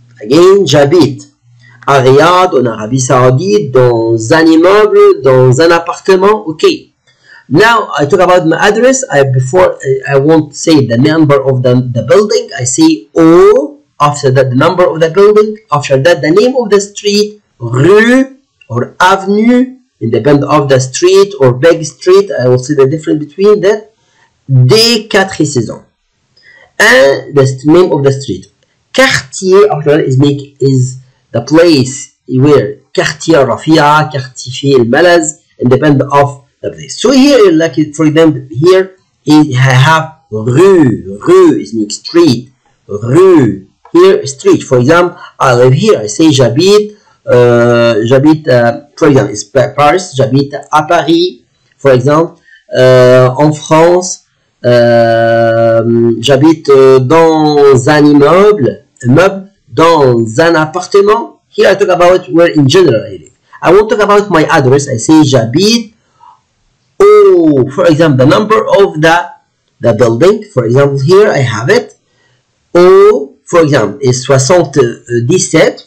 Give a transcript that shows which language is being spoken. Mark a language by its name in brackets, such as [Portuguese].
[English] Again, [French] j'habite à Riyad, en Arabie Saoudite, dans un immeuble, dans un appartement. [English] Okay. Now, I talk about my address. I won't say the number of the building. I say O, after that, the number of the building. After that, the name of the street, rue, or avenue. Independent of the street or big street, I will see the difference between that. [French] Des quatre saisons. [English] and the name of the street. Quartier of Jordan is the place where Quartier Rafia, Quartier El Malaz, independent of the place. So here, like for example, here is have rue. Rue is mean street. Rue here street. For example, I live here. I say j'habite. J'habite. For example, it's Paris. [French] J'habite à Paris. [English] For example, [French] en France, j'habite dans un immeuble. Immeuble dans un appartement. [English] Here I talk about where in general I live. I won't talk about my address. I say j'habite. Oh, for example, the number of the building. For example, here I have it. Oh, for example, is 77.